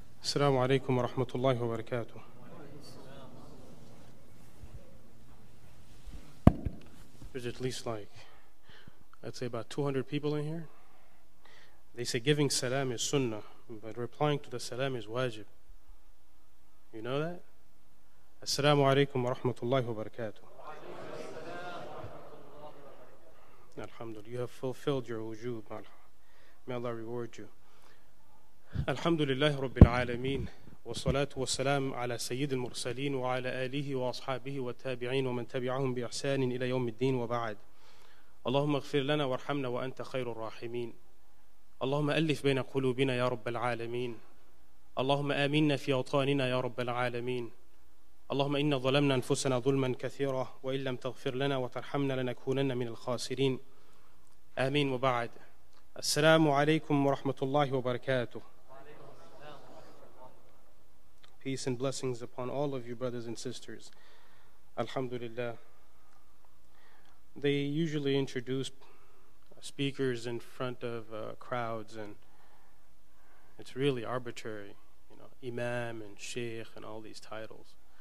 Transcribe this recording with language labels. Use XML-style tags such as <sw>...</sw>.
<ar>السلام عليكم ورحمة الله وبركاته.</ar> <en>There's at least like, I'd say about 200 people in here. They say giving salam is sunnah, but replying to the salam is wajib. You know that?</en> <ar>Assalamu alaikum wa rahmatullahi wa barakatuh.</ar> <en>Alhamdulillah, you have fulfilled your wujub. May Allah reward you.</en> <ar>Alhamdulillah rabbil alameen. Wa salatu wa salam ala sayyid al mursaleen wa ala alihi wa ashabihi wa tabi'in wa man tabi'ahum bi ihsan ila yawm al-deen wa ba'd. Allahumma ighfir lana wa arhamna wa anta khayrul rahimin. اللهم ألف بين قلوبنا يا رب العالمين اللهم آمنا في أوطاننا يا رب العالمين اللهم إنا ظلمنا أنفسنا ظلما كثيرا وإن لم تغفر لنا وترحمنا لنكونن من الخاسرين آمين وبعد السلام عليكم ورحمة الله وبركاته.</ar> <en>Peace and blessings upon all of you brothers and sisters. Alhamdulillah. They usually introduce speakers in front of crowds, and it's really arbitrary, you know, imam and sheikh and all these titles.</en>